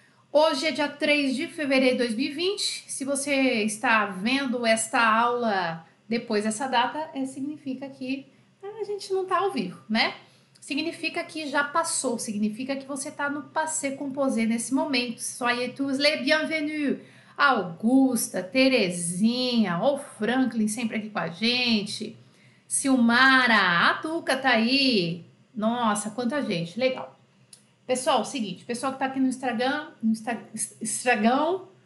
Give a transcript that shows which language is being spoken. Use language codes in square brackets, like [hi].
[pt] Hoje é dia 3 de fevereiro de 2020. Se você está vendo esta aula depois dessa data, significa que a gente não tá ao vivo, né? Significa que já passou, significa que você está no passé composé nesse momento. [fr] Soyez tous les bienvenus. [pt] Augusta, Terezinha, o Franklin sempre aqui com a gente. Silmara, a Tuca tá aí. Nossa, quanta gente, legal. Pessoal, seguinte, pessoal que tá aqui no Instagram, no Instagram.